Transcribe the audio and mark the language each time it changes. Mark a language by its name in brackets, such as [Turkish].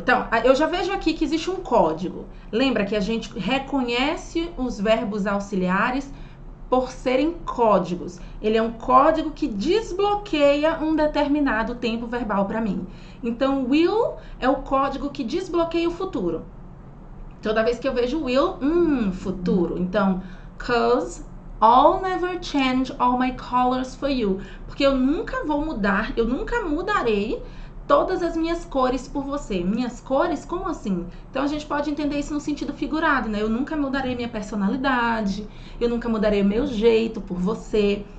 [Portuguese] Então, eu já vejo aqui que existe um código. Lembra que a gente reconhece os verbos auxiliares por serem códigos. Ele é um código que desbloqueia um determinado tempo verbal para mim. Então, will é o código que desbloqueia o futuro. Toda vez que eu vejo will, futuro. [English] Então, 'cause I'll never change all my colors for you. [Portuguese] Porque eu nunca vou mudar, eu nunca mudarei todas as minhas cores por você. Minhas cores? Como assim? Então a gente pode entender isso no sentido figurado, né? Eu nunca mudarei minha personalidade, eu nunca mudarei o meu jeito por você.